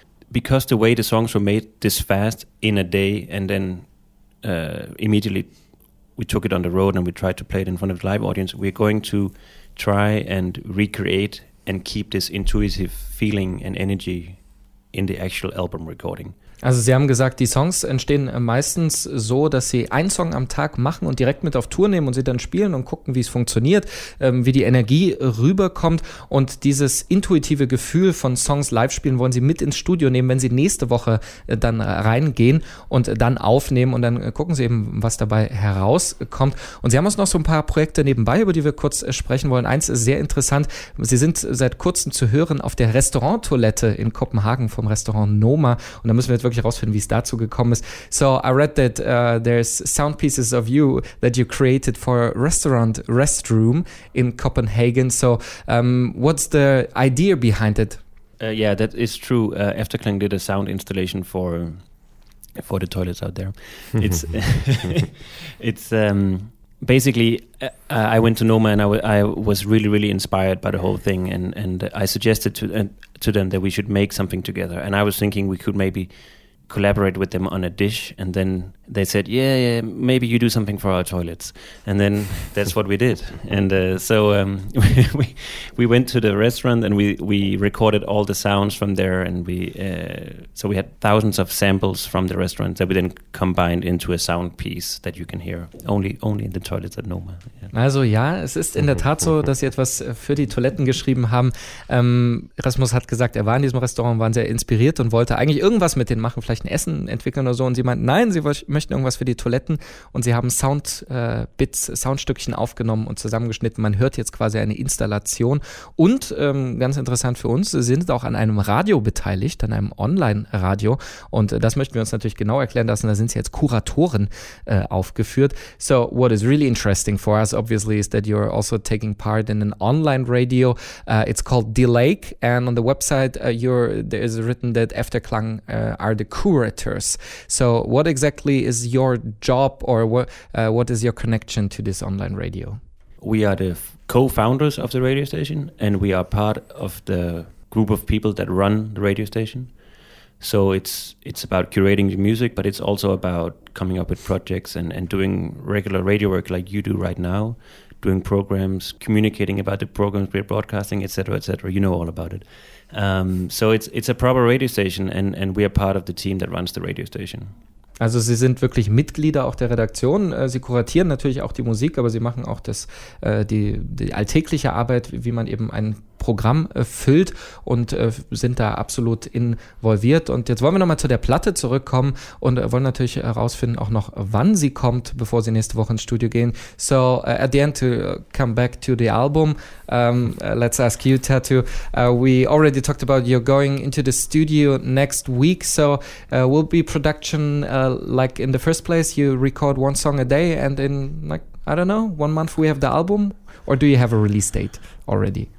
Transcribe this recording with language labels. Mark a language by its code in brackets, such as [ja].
[en] Because the way the songs were made this fast in a day, and then immediately we took it on the road and we tried to play it in front of a live audience, we're going to try and recreate and keep this intuitive feeling and energy in the actual album recording. [de] Also Sie haben gesagt, die Songs entstehen meistens so, dass Sie einen Song am Tag machen und direkt mit auf Tour nehmen und sie dann spielen und gucken, wie es funktioniert, wie die Energie rüberkommt. Und dieses intuitive Gefühl von Songs live spielen wollen Sie mit ins Studio nehmen, wenn Sie nächste Woche dann reingehen und dann aufnehmen. Und dann gucken Sie eben, was dabei herauskommt. Und Sie haben uns noch so ein paar Projekte nebenbei, über die wir kurz sprechen wollen. Eins ist sehr interessant. Sie sind seit kurzem zu hören auf der Restaurant-Toilette in Kopenhagen vom Restaurant Noma. Und da müssen wir wirklich rausfinden, wie es dazu gekommen ist. [en] So I read that there's sound pieces of you that you created for a restaurant restroom in Copenhagen. So what's the idea behind it? Yeah, that is true. Efterklang did a sound installation for the toilets out there. It's basically I went to Noma and I was really, really inspired by the whole thing. And I suggested to them that we should make something together. And I was thinking we could maybe collaborate with them on a dish, and then they said, yeah, maybe you do something for our toilets, and then that's what we did. And we went to the restaurant and we recorded all the sounds from there, and so we had thousands of samples from the restaurant that we then combined into a sound piece that you can hear only in the toilets at Noma. [de] Also ja, es ist in der Tat so, dass sie etwas für die Toiletten geschrieben haben. Rasmus hat gesagt, er war in diesem Restaurant, waren sehr inspiriert und wollte eigentlich irgendwas mit denen machen, vielleicht ein Essen entwickeln oder so. Und sie meinten, nein, sie möchten irgendwas für die Toiletten. Und sie haben Soundbits, Soundstückchen aufgenommen und zusammengeschnitten. Man hört jetzt quasi eine Installation. Und ganz interessant für uns, sie sind auch an einem Radio beteiligt, an einem Online-Radio. Und das möchten wir uns natürlich genau erklären lassen. Da sind sie jetzt Kuratoren aufgeführt. [en] So what is really interesting for us, obviously, is that you're also taking part in an online radio. It's called D-Lake, and on the website there is written that Efterklang are the curators. So what exactly is your job, or what is your connection to this online radio? We are the co-founders of the radio station, and we are part of the group of people that run the radio station. So it's about curating the music, but it's also about coming up with projects and doing regular radio work like you do right now, doing programs, communicating about the programs we're broadcasting, etc. You know all about it. So it's a proper radio station, and we are part of the team that runs the radio station. [de] Also Sie sind wirklich Mitglieder auch der Redaktion. Sie kuratieren natürlich auch die Musik, aber Sie machen auch die alltägliche Arbeit, wie man eben einen Programm füllt und sind da absolut involviert. Und jetzt wollen wir nochmal zu der Platte zurückkommen und wollen natürlich herausfinden auch noch, wann sie kommt, bevor sie nächste Woche ins Studio gehen. [en] So, at the end, to come back to the album, let's ask you, Tattoo. We already talked about you're going into the studio next week, so will be production like in the first place? You record one song a day and in like, I don't know, 1 month we have the album, or do you have a release date already?